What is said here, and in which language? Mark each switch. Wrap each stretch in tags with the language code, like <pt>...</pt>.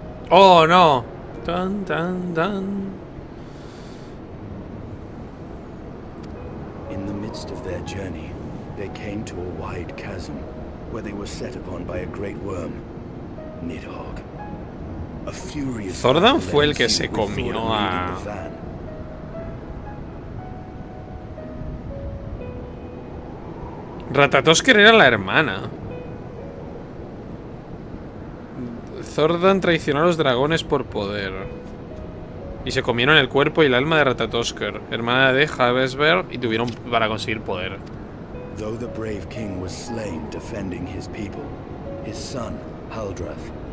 <en>Oh no. Dun dun dun. In the midst of their journey, they came to a wide chasm where they were set upon by a great worm. Nidhogg. A furious</en> <es>Thordon fue el que se comió a. Ratatosker era la hermana. Thordon traicionó a los dragones por poder. Y se comieron el cuerpo y el alma de Ratatosker, hermana de Havesberg, y tuvieron para conseguir poder.</es> <en>Though the brave king was slain defending his people, his son, Haldrath.</en>